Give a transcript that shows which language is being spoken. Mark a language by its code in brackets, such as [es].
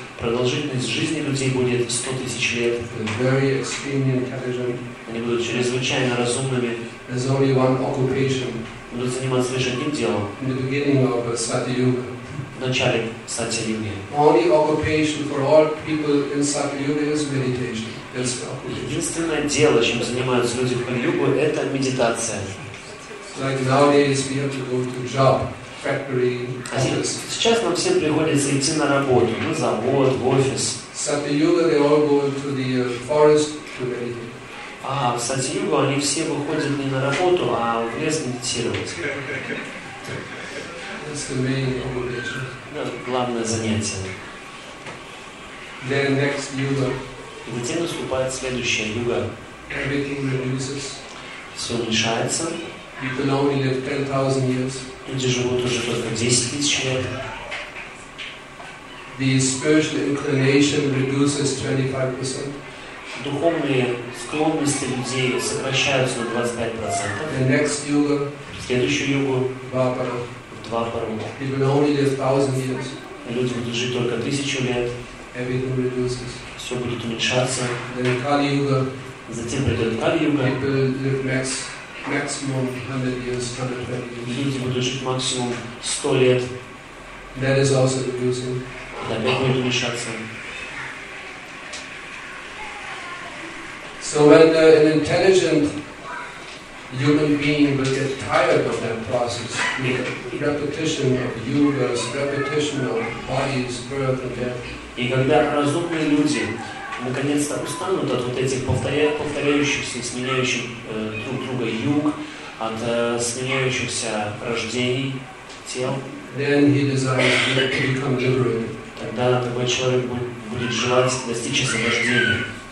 [ru] Продолжительность жизни людей будет 100 тысяч лет. [en] Very extremely intelligent. [ru] Они будут чрезвычайно разумными. [en] There's only one occupation. [ru] Будут заниматься лишь одним делом. [en] In the beginning of Satyuga. [ru] В начале Сатья-юги. [en] Only occupation for all people in Satyuga is meditation. That's the occupation. [ru] Единственное дело, чем занимаются люди в Кали-югу, это медитация. [en] Like nowadays we have to go to job. Factory, office. [ru] Сейчас нам всем приходится идти на работу, на завод, в офис. [en] Satyuga, they all go to the forest to meditate. [ru] А в Сатьюгу они все выходят не на работу, а в лес медитировать. [en] That's the main obligation. [ru] Да, главное занятие. [en] Then next yuga. [ru] Затем наступает следующая юга. [en] Everything reduces. [ru] Все уменьшается. [en] People only live 10,000 years. [ru] Люди живут уже только 10 тысяч лет. [en] The spiritual inclination reduces 25%. [ru] Духовные склонности людей сокращаются на 25%. [en] The next yuga. [ru] Следующую югу. Двапара. Двапара. [en] People only live 1,000 years. [ru] Люди будут жить только 1,000 лет. [en] Everything reduces. [ru] Все будет уменьшаться. [en] Then Kali yuga. [ru] Затем придет Kali yuga. [en] People live max. Maximum 100 years, 120 years. [ru] Люди будут жить максимум 100 лет. [en] That is also reducing. [ru] Опять будет уменьшаться. [en] So when an intelligent human being will get tired of that process, repetition of yugas, repetition of bodies, birth and death. [ru] И когда разумные люди наконец-то устанут от вот этих повторяющихся и сменяющих друг друга юг, от сменяющихся рождений тел, [en] then he desires to become liberated. [ru] Тогда такой человек будет желать достичь освобождения.